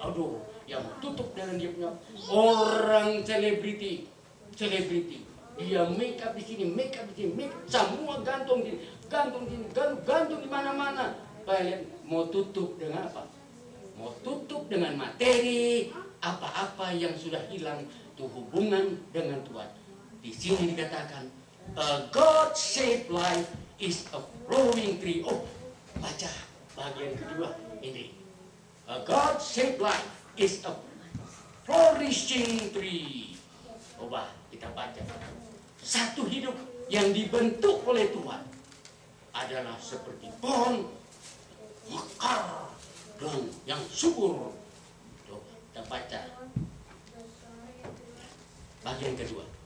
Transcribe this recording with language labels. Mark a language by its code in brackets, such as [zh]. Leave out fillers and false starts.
[id] Aduh, yang mau tutup dengan dia punya orang selebriti, selebriti. Dia make up di sini, make up di sini, make up. Semua gantung di, gantung di, gantung di mana-mana. Paling mau tutup dengan apa? Mau tutup dengan materi, apa-apa yang sudah hilang tuh hubungan dengan Tuhan. [en] Di sini dikatakan, a God-shaped life is a flowing tree. [id] Oh, baca bagian kedua ini. [en] A God-shaped life is a flourishing tree. [id] Coba kita baca. Satu hidup yang dibentuk oleh Tuhan adalah seperti pohon mekar dan yang subur. Coba kita baca bagian kedua.